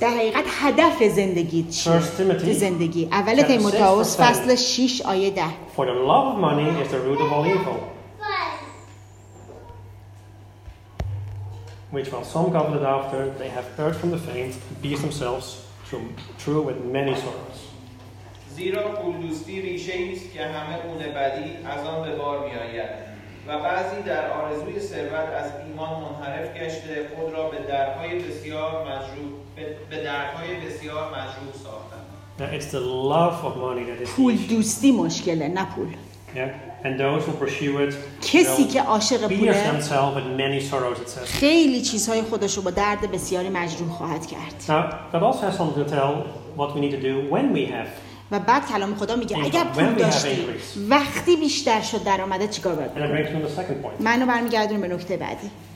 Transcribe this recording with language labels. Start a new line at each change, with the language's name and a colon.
Persian: در حقیقت هدف زندگی چیه؟ زندگی. اول تیموتائوس فصل 6 آیه 10.
English: For the love of money is the root of all evil. Which while some coveted after, they have erred from the faith, abased themselves through with many sorrows.
Persian: زیرا پولدوستی ریشه ایست که همه اون بدی از آن به بار می آید و بعضی در آرزوی ثروت از ایمان منحرف گشته خود را به درهای بسیار مجروح ساختند.
English: Now it's the love of money that is
Persian: پولدوستی مشکله نه پول.
English: Yeah. And those who pursue it,
Persian: کسی که عاشق پوله خیلی چیزهای خودش رو با درد بسیاری مجروح خواهد کرد.
English: Now, God also has something to tell what we need to do when we have.
Persian: و بعد کلام خدا میگه اگر پول داشتی وقتی بیشتر شد درآمدت چیکار باید بکنی؟ منو برمیگردونم به نکته بعدی.